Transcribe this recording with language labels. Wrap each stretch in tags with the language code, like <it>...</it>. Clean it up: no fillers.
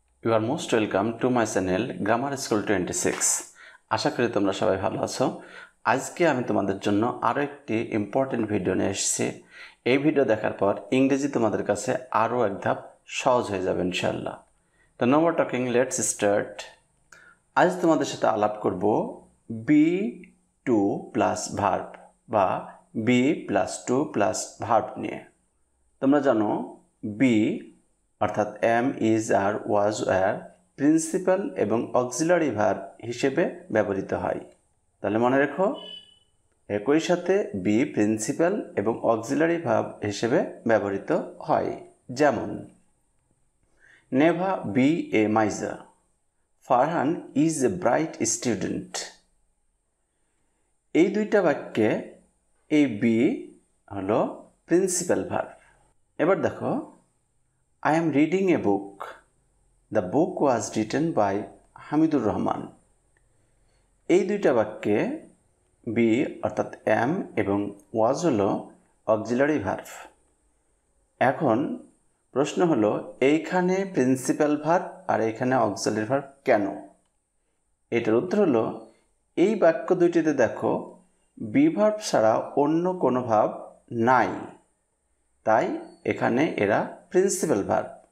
<en>You are most welcome to my channel Grammar School 26.</en> <bn>আশা করি তোমরা সবাই ভালো আছো। আজকে আমি তোমাদের জন্য আরো একটি ইম্পর্টেন্ট ভিডিও নিয়ে এসেছি। এই ভিডিও দেখার পর ইংরেজি তোমাদের কাছে আরো এক ধাপ সহজ হয়ে যাবে ইনশাআল্লাহ।</bn> <en>তো no more talking, let's start.</en> <bn>আজ তোমাদের সাথে আলাপ করব বি টু প্লাস ভার্ব বা B plus two plus verb নিয়ে। তোমরা জানো বি অর্থাৎ M, is, আর, was, অ্যার principal এবং অক্সিলারি ভার্ব হিসেবে ব্যবহৃত হয়। তাহলে মনে রেখো, একই সাথে বি প্রিন্সিপাল এবং অক্সিলারি ভার্ব হিসেবে ব্যবহৃত হয়।</bn> <en>যেমন never be a miser, Farhan is a bright student.</en> <bn>এই দুইটা বাক্যে এই বি হলো প্রিন্সিপাল ভার্ব। এবার দেখো,</bn> <en>I am reading a book. The book was written by Hamidur Rahman.</en> <bn>এই দুইটা বাক্যে বি অর্থাৎ এম এবং ওয়াজ হলো অক্সিলারি ভার্ব। এখন প্রশ্ন হলো, এইখানে প্রিন্সিপাল ভার্ব আর এখানে অক্সিলারি ভার্ব কেন? এটার উত্তর হলো, এই বাক্য দুইটিতে দেখো বি ভার্ব ছাড়া অন্য কোনো ভাব নাই, তাই এখানে এরা প্রিন্সিপাল ভার্ব।</bn>